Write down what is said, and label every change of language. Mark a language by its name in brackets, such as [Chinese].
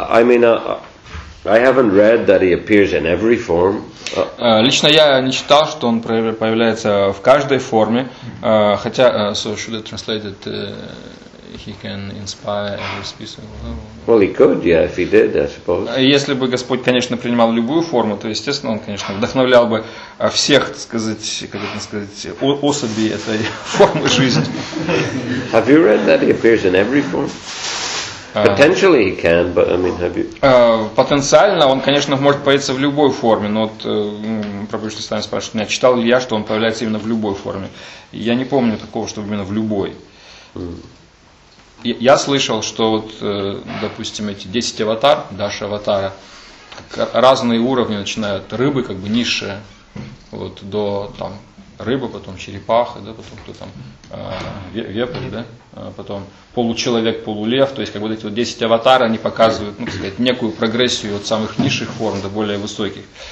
[English] I haven't read that he appears in every form. [Russian] Лично я не читал, что он появляется в каждой форме. Хотя, [English] so should I translate it? He can inspire every species. Well, he could, yeah, if he did, I suppose. [Russian] Если бы Господь, конечно, принимал любую форму, то, естественно, он, конечно, вдохновлял бы всех, так сказать, как это сказать, особей этой формы жизни. [English] Have you read that he appears in every form? Potentially he can, but I mean, have you? [Russian] Потенциально он, конечно, может появиться в любой форме, но вот Прабхупада Сами спрашивает, не читал ли я, что он появляется именно в любой форме. Я не помню такого, чтобы именно в любой. Я слышал, что вот, допустим, эти 10 аватар, Даша аватара, разные уровни начинают, рыбы как бы низшие, вот, до там рыбы, потом черепаха, да, потом кто там, вепрь, да, потом получеловек, полулев, то есть как бы вот эти вот 10 аватар, они показывают, ну, так сказать, некую прогрессию от самых низших форм до более высоких.